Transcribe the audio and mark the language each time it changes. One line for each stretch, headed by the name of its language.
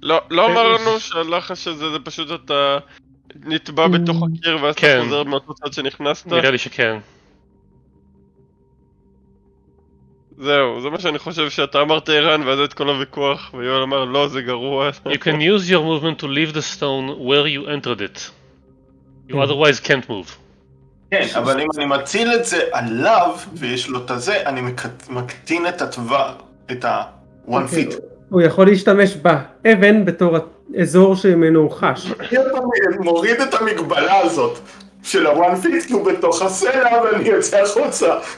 Hebrew: לא אמרנו שהלחש הזה זה פשוט אתה נטבע בתוך הקיר ואז אתה חוזר מאותו צד שנכנסת? נראה לי שכן. זהו, זה מה שאני חושב שאתה אמרת איראן ואז את כל הוויכוח ויואל אמר לא, זה גרוע.
English: You can use your movement to leave the stone where you entered it. You otherwise can't move.
Hebrew: כן, אבל אם אני מציל את זה עליו ויש לו את הזה, אני מקטין את הטווח, את ה-one feet. הוא יכול להשתמש באבן בתור האזור שממנו הוא חש. מוריד את המגבלה הזאת של ה-one feet כי הוא בתוך הסלע ואני יוצא החוצה.